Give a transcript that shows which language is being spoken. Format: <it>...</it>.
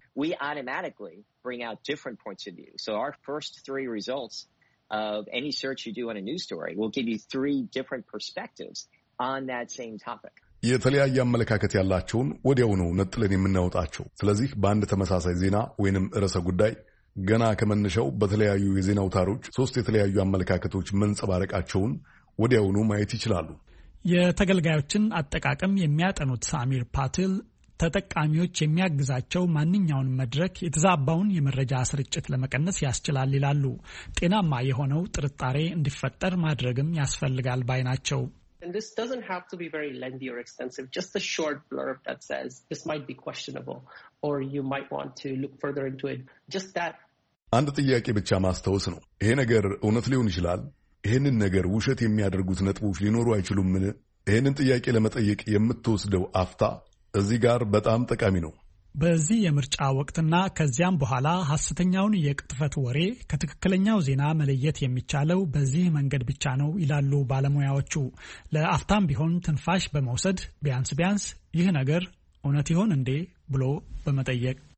<en>We automatically bring out different points of view. So our first three results of any search you do on a news story will give you three different perspectives on that same topic.</en> <am>የተለያየ አመለካከት ያላችሁን ወዲያውኑ ነጥለን የምናወጣቸው። ስለዚህ በአንድ ተመሳሳይ ዜና ወይንም ርዕሰ ጉዳይ ገና ከመነሻው በተለያዩ የዜና አውታሮች ሶስት የተለያየ አመለካከቶች መንጸባረቃቸውን ወዲያውኑ ማየት ይችላሉ። የተገልጋዮችን አጠቃቀም የሚያጠኑት ሳሚር ፓቲል ተጠቃሚዎች የሚያግዛቸው ማንኛውንም መድረክ የተዛባውን የመረጃ ስርጭት ለመቀነስ ያስችላል ይላሉ። ጤናማ የሆነው ጥርጣሬ እንዲፈጠር ማድረግም ያስፈልጋል ባይናቸው።</am> <en>And this doesn't have to be very lengthy or extensive, just a short blurb that says this might be questionable or you might want to look further into it. Just that.</en> <am>And ጥያቄ ብቻ ማስተውስ ነው። ይሄ ነገር እውነት ሊሆን ይችላል? ይሄንን ነገር ውሸት የሚያደርጉት ነጥቦች ሊኖሩ አይችሉም? ይሄንን ጥያቄ ለመጠየቅ የምትወስደው አፍታ እዚህ ጋር በጣም ጠቃሚ ነው። በዚህ የምርጫ ወቅትና ከዚያም በኋላ ሐሰተኛውን የቅጥፈት ወሬ ከትክክለኛው ዜና መለየት የሚቻለው በዚህ መንገድ ብቻ ነው ይላሉ ባለሙያዎቹ። ለአፍታም ቢሆን ትንፋሽ በመውሰድ ቢያንስ ይህ ነገር እውነት ይሆን እንዴ ብሎ በመጠየቅ</am>